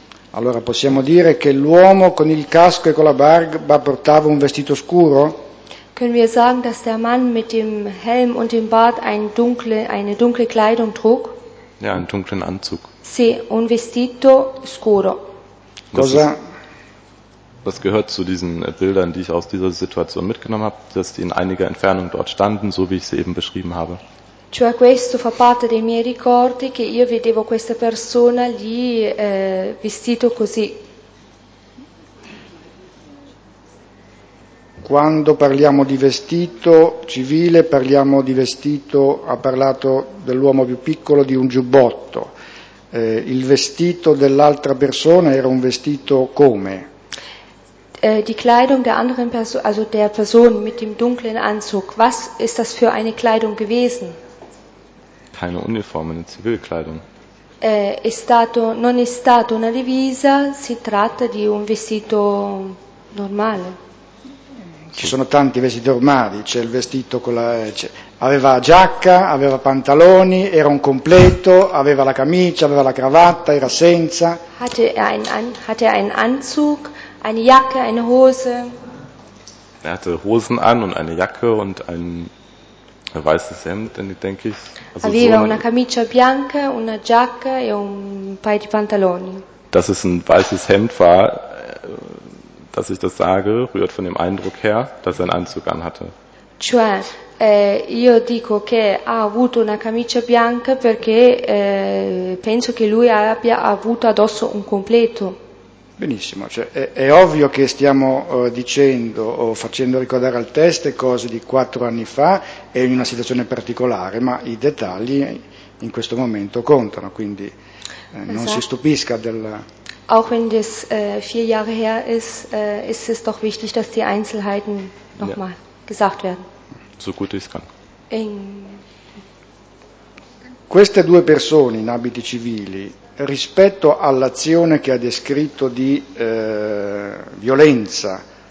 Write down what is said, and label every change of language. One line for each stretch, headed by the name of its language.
Italian: Allora possiamo dire che l'uomo con il casco e con la barba portava un vestito scuro?
German: Können wir sagen, dass der Mann mit dem Helm und dem Bart eine dunkle Kleidung trug? Ja, einen dunklen Anzug.
Italian: Sì, un vestito scuro. Cosa?
German: Das gehört zu diesen Bildern, die ich aus dieser Situation mitgenommen habe, dass die in einiger Entfernung dort standen, so wie ich sie eben beschrieben habe.
Italian: Cioè questo fa parte dei miei ricordi che io vedevo questa persona lì vestito così. Quando parliamo di vestito civile parliamo di vestito, ha parlato dell'uomo più piccolo, di un giubbotto. Il vestito dell'altra persona era un vestito come?
German: Die Kleidung der anderen Person, also der Person mit dem dunklen Anzug, was ist das für eine Kleidung gewesen? Keine Uniform, eine Zivilkleidung.
Italian: È stato, non è stata una divisa, si tratta di un vestito normale. Ci sono tanti vestiti normali, c'è il vestito con la. Aveva giacca, aveva pantaloni, era un completo, aveva la camicia, aveva la cravatta, era senza.
German: Hatte einen Anzug, eine Jacke, eine Hose. Er hatte Hosen an und eine Jacke und ein. Ein weißes Hemd, denke ich.
Italian: Also aveva una camicia bianca, una giacca e un paio di pantaloni.
German: Dass es ein weißes Hemd war, dass ich das sage, rührt von dem Eindruck her, dass er einen Anzug anhatte.
Italian: Cioè, io dico che ha avuto una camicia bianca perché penso che lui abbia avuto addosso un completo. Benissimo, cioè è ovvio che stiamo dicendo o facendo ricordare al test cose di 4 anni fa e in una situazione particolare, ma i dettagli in questo momento contano, quindi non si stupisca del.
German: Auch wenn das 4 Jahre her ist, ist es doch wichtig, dass die Einzelheiten nochmal gesagt werden. So gut ich kann.
Italian: queste due persone in abiti civili, rispetto all'azione che ha descritto di violenza,